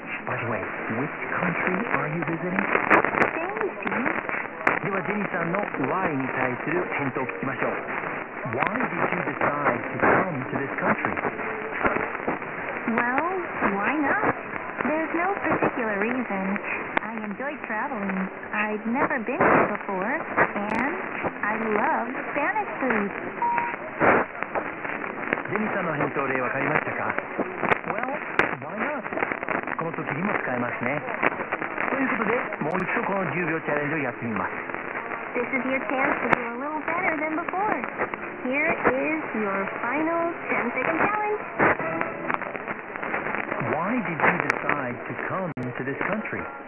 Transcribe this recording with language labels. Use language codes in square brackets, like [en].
[en] By the way, which country are you visiting? Same, Steve. [ja] では、ジェニーさんの why に対する返答を聞きましょう。 [en] Why did you decide to come to this country? Well, why not? There's no particular reason. I enjoy traveling. I've never been here before, and I love Spanish food. [ja] ジェニーさんの返答で分かりましたか? [en] Well, why not? [ja] この時にも使えますね。ということで、もう一度この10秒チャレンジをやってみます。 [en] This is your chance to do a little better than before. Here is your final 10-second challenge. Why did you decide to come to this country?